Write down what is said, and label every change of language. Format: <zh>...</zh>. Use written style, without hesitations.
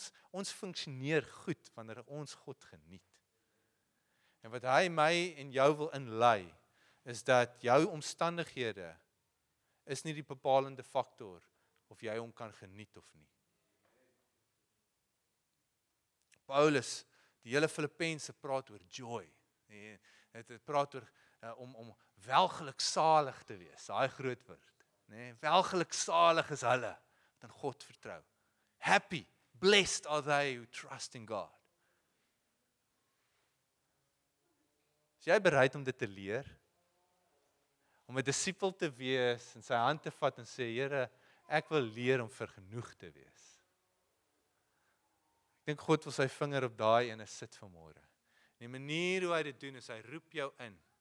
<af>Ons funksioneer goed wanneer ons God geniet. En wat hy my en jou wil inlei, is dat jou omstandighede is nie die bepalende faktor of jy hom kan geniet of nie. Paulus, die hele Filippense praat oor joy. Het praat oor om welgelukzalig te wees, daai groot woord. Nee, welgelukzalig is hulle wat in God vertrou.</af> <en>Happy, blessed are they who trust in God.</en> <af>Is jy bereid om dit te leer? Om 'n disipel te wees en sy hand te vat en sê, Here, ek wil leer om vergenoeg te wees. Ek dink God wil sy vinger op daai ene sit vanmôre. En die manier hoe hy dit doen is, hy roep jou in.</af>